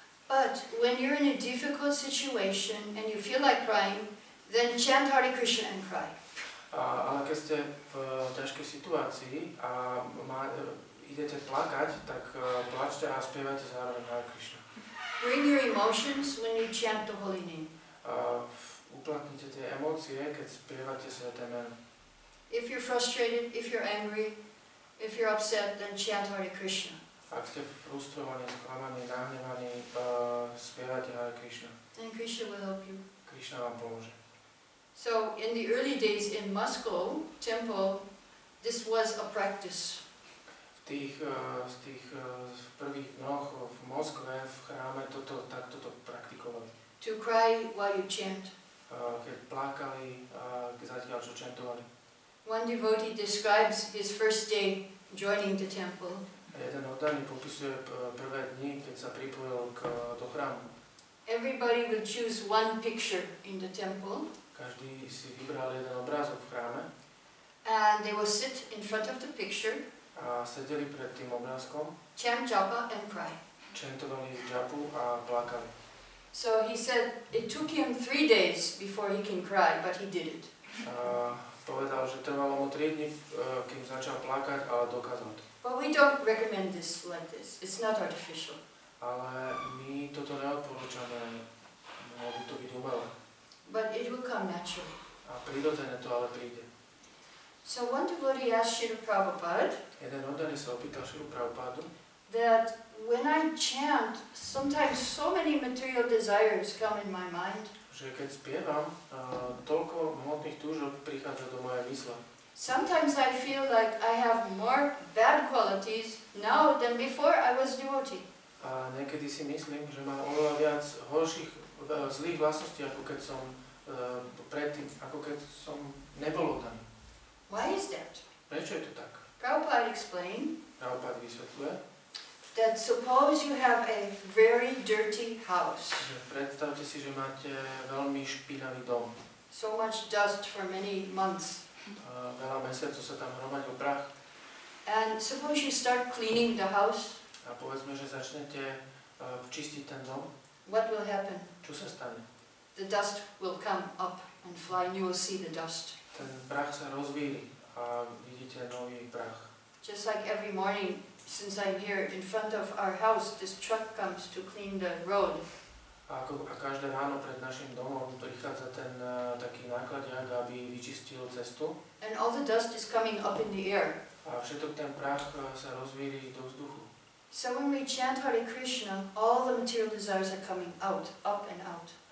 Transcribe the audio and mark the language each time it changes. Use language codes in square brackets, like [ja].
[en] But when you're in a difficult situation and you feel like crying, then chant Hare Krishna and cry. [sk] Ale keď ste v ťažkej situácii a idete plakať, tak plačte a spievajte zároveň Hare Krishna. [en] Bring your emotions when you chant the holy name. [sk] Uplatnite tie emócie, keď spievate sväté meno. [en] If you're frustrated, if you're angry, if you're upset, then chant Hare Krishna. [sk] Ak ste frustrovaní, sklamaní, nahnevaní, spievajte Hare Krishna. [en] And Krishna will help you. [sk] Krishna vám pomôže. [en] So in the early days in Moscow temple, this was a practice. [sk] V tých prvých dňoch v Moskve v chráme toto takto to praktikovali. [en] To cry while you chant. [sk] Keď plakali, zatiaľ čo chantovali. [en] One devotee describes his first day joining the temple. [sk] Jeden oddaný popisuje prvé dni, keď sa pripojil k do chrámu. [en] Everybody will choose one picture in the temple. [sk] Každý si vybral jeden obrázok v chráme. [en] And they will sit in front of the picture. [sk] A sedeli pred tým obrázkom. [en] Chant japa and cry. [sk] Chantovali japu a plakali. [en] So he said it took him 3 days before he can cry, but he did it. [sk] Povedal, že trvalo mu 3 dni, kým začal plakať, ale dokázal to. [en] But we don't recommend this like this. It's not artificial. [sk] Ale my toto neodporúčame, aby to byť umelé. [en] But it will come naturally. [sk] A prirodzene to ale príde. [en] So one devotee asked Shri Prabhupada. [sk] Jeden oddaný sa opýtal Shri Prabhupada. [en] That when I chant, sometimes so many material desires come in my mind. [sk] Že keď spievam, toľko hmotných túžob prichádza do mojej mysle. [en] Sometimes I feel like I have more bad qualities now than before I was devotee. [sk] A niekedy si myslím, že mám oveľa viac horších zlých vlastností ako keď som predtým, ako keď som nebol oddaný. [en] Why is that? [sk] Prečo je to tak? [en] Prabhupada explain. [sk] Prabhupada vysvetľuje. [en] That suppose you have a very dirty house. [sk] Predstavte si, že máte veľmi špinavý dom. [en] So much dust for many months. [sk] Veľa mesiacov sa tam hromadil prach. [en] And suppose you start cleaning the house. [sk] A povedzme, že začnete čistiť ten dom. [en] What will happen? [sk] Čo sa stane? [en] The dust will come up and fly and you will see the dust. [sk] Ten prach sa rozvíri a vidíte nový prach. [en] Just like every morning since I'm here in front of our house this truck comes to clean the road. [sk] A každé ráno pred našim domom prichádza ten taký nákladňák, aby vyčistil cestu. [en] And all the dust is coming up in the air. [sk] A všetok ten prach sa rozvíri do vzduchu. [en] So when we chant Hare Krishna, all the material desires are coming out, up and out.